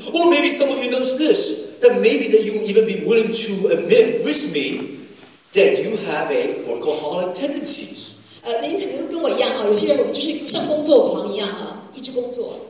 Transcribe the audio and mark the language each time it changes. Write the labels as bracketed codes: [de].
[en] Or maybe some of you knows this. That maybe that you will even be willing to admit with me that you have a workaholic tendencies. [zh] 那你可能跟我一样哈，有些人我们就是像工作狂一样哈，一直工作。